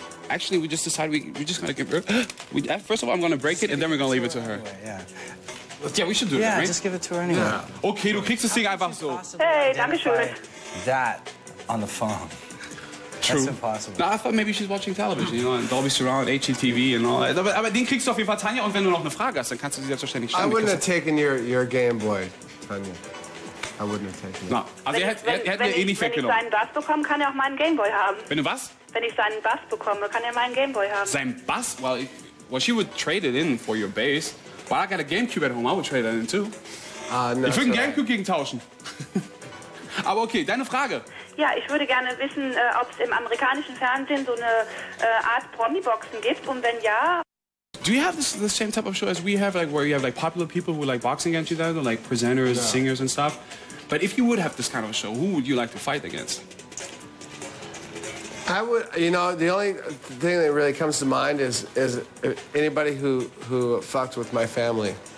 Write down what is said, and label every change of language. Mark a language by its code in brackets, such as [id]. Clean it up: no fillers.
[en] Actually, we just decided we're just gonna give her. First of all, I'm gonna break it and then we're gonna leave it to her. Yeah, we should do it. Yeah, right? Just give it to her anyway. Yeah. [de] Okay, du kriegst das Ding einfach so. Hey, danke schön. [en] That on the phone. True. That's impossible. No, I thought maybe she's watching television, you know, and Dolby Surround, HGTV and all that. [de] Aber den kriegst du auf jeden Fall, Tanja, und wenn du noch eine Frage hast, dann kannst du sie selbstverständlich stellen. [en] I wouldn't have taken your Game Boy, Tanja. I wouldn't have taken it. [de] No, also er hätte mir eh nicht weggenommen. Wenn ich seinen Bass bekomme, kann er auch meinen Game Boy haben. Wenn du was? Wenn ich seinen Bass bekomme, kann er meinen Gameboy haben. Sein Bass? [en] Well, she would trade it in for your bass. But I got a GameCube at home, I would trade it in too. No, [de] ich würde einen GameCube gegen tauschen. Aber okay, deine Frage. Ja, ich würde gerne wissen, ob es im amerikanischen Fernsehen so eine Art Promi-Boxen gibt und wenn ja... [en] Do you have the same type of show as we have, like where you have like popular people who like boxing against each other, like presenters, yeah, singers and stuff? But if you would have this kind of a show, who would you like to fight against? I would, you know, the only thing that really comes to mind is anybody who fucked with my family.